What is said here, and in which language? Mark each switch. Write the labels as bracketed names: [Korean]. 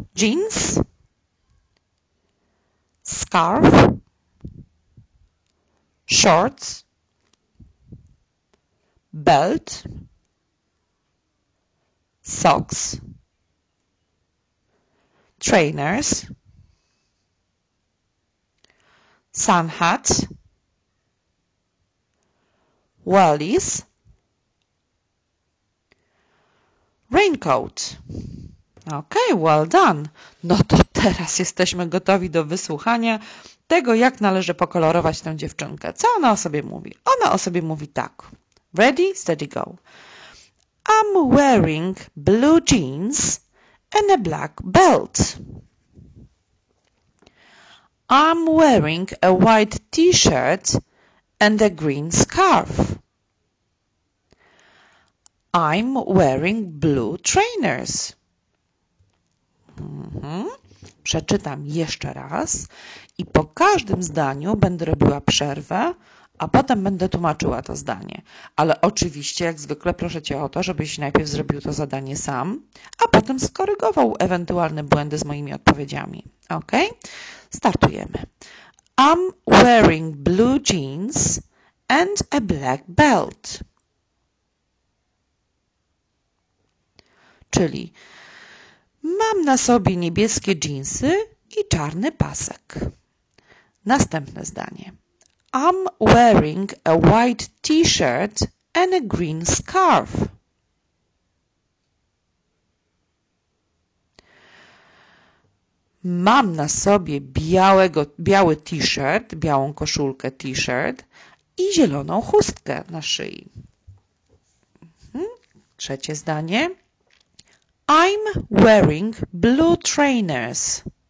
[English] Jeans, scarf, shorts, belt, socks, trainers, sun hat, wellies, raincoat. Ok, well done. [Polish] No to teraz jesteśmy gotowi do wysłuchania tego, jak należy pokolorować tę dziewczynkę. Co ona o sobie mówi? Ona o sobie mówi tak. [English] Ready, steady, go. I'm wearing blue jeans and a black belt. I'm wearing a white t-shirt and a green scarf. I'm wearing blue trainers. [Polish] Przeczytam jeszcze raz i po każdym zdaniu będę robiła przerwę, a potem będę tłumaczyła to zdanie. Ale oczywiście, jak zwykle, proszę Cię o to, żebyś najpierw zrobił to zadanie sam, a potem skorygował ewentualne błędy z moimi odpowiedziami. Ok? Startujemy. [English] I'm wearing blue jeans and a black belt. [Polish] Czyli mam na sobie niebieskie jeansy i czarny pasek. Następne zdanie. [English] I'm wearing a white t-shirt and a green scarf. [Polish] Mam na sobie biały t-shirt, białą koszulkę t-shirt i zieloną chustkę na szyi. Trzecie zdanie. [English] I'm wearing blue trainers.